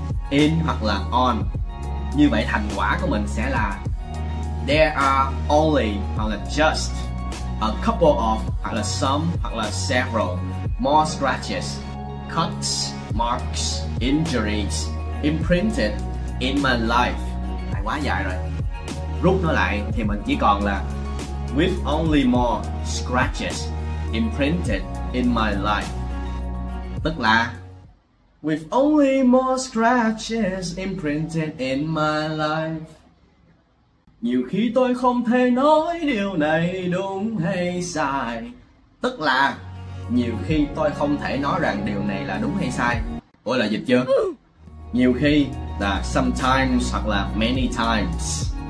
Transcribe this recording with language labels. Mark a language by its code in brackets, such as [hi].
[en] In hoặc là on. [vi] Như vậy thành quả của mình sẽ là [en] there are only hoặc là just a couple of hoặc là some hoặc là several more scratches, cuts, marks, injuries imprinted in my life. [vi] Lại quá dài rồi. Rút nó lại thì mình chỉ còn là [en] with only more scratches imprinted in my life. [vi] Tức là [en] with only more scratches imprinted in my life. [vi] Nhiều khi tôi không thể nói điều này đúng hay sai. Tức là nhiều khi tôi không thể nói rằng điều này là đúng hay sai. Ủa là dịch chưa? Nhiều khi là sometimes hoặc là many times.